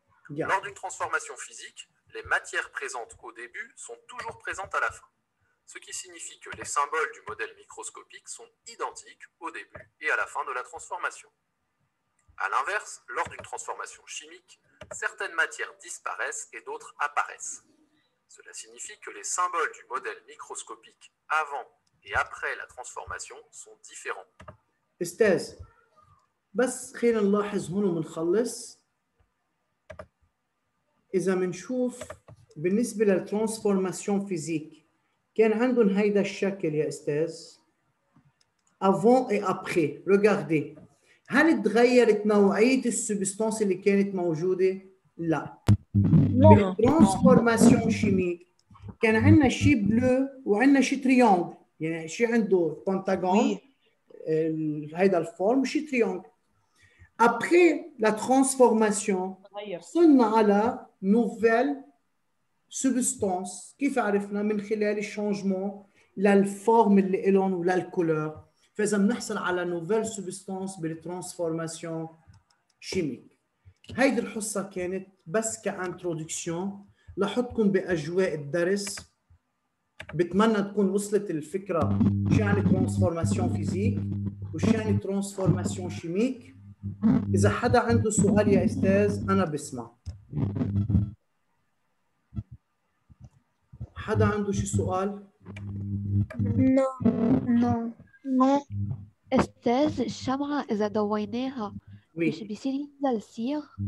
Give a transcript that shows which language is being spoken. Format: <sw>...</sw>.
<fr>Lors d'une transformation physique, les matières présentes au début sont toujours présentes à la fin, ce qui signifie que les symboles du modèle microscopique sont identiques au début et à la fin de la transformation. A l'inverse, lors d'une transformation chimique, certaines matières disparaissent et d'autres apparaissent. Cela signifie que les symboles du modèle microscopique avant et après la transformation sont différents.</fr> <ar>Estèse, بس خير نلاحظ هنا ونخلص. إذا منشوف بالنسبة للترانسفورماسيون فيزيك كان عندهم هيدا الشكل يا أستاذ</ar> <fr>avant et après. Regardez.</fr> <ar>هل تغيرت نوعية السبستانس اللي كانت موجودة؟ لا. بالترانسفورماسيون شيميك كان عندنا شي بلو وعندنا شي تريونج يعني شي عنده بنتاغون هيدا الفورم شي تريونج.</ar> <fr>Après la transformation, on a la nouvelle substance qui fait le changement, la forme de l'élan ou la couleur. On a la nouvelle substance de la transformation chimique. C'est ce que je veux dire, c'est l'introduction. Je vous remercie de jouer le cours. Je vous remercie de l'idée de la transformation physique et de la transformation chimique.</fr> <ar>إذا حدا عنده سؤال يا أستاذ أنا بسمع. حدا عنده شي سؤال؟ نو أستاذ الشمعة إذا ضويناها مش بيصير ينزل سير؟</ar>